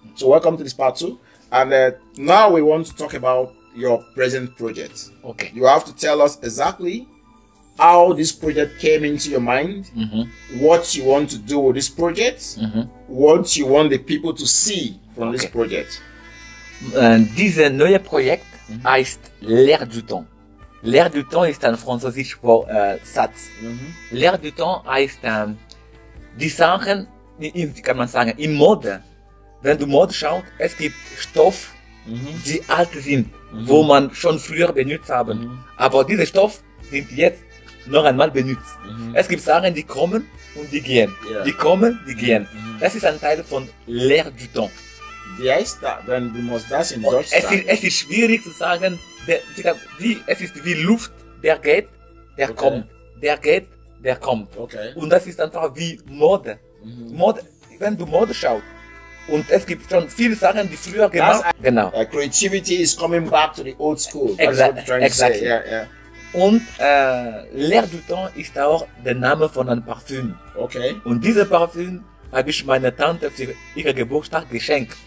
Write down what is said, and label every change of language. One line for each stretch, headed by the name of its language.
English: So welcome to this part two. And now we want to talk about your present project. Okay. You have to tell us exactly how this project came into your mind, what you want to do with this project, what you want the people to see from this project.
German: This neue Projekt heißt L'Air du Temps. L'Air du Temps ist ein französisches Wort, Satz. L'Air du Temps heißt, die Sachen, kann man sagen, in Mode. Wenn du Mode schaust, es gibt Stoff, die alt sind, wo man schon früher benutzt haben. Aber diese Stoff sind jetzt noch einmal benutzt. Es gibt Sachen, die kommen und die gehen. Die kommen, die gehen. Das ist ein Teil von L'Air du Temps. Wie heißt das, wenn du musst das in Deutsch sagen? Es ist schwierig zu sagen, es ist wie Luft, der geht, der kommt, der geht, der kommt. Okay. Und das ist einfach wie Mode. Mode, wenn du Mode schaust, und es gibt schon viele Sachen, die früher gemacht wurden. Genau.
English: Creativity is coming back to the old school. Exactly. Yeah, yeah.
German: Und L'Air du Temps ist auch der Name von einem Parfüm. Okay. Und dieser Parfüm habe ich meiner Tante für ihren Geburtstag geschenkt.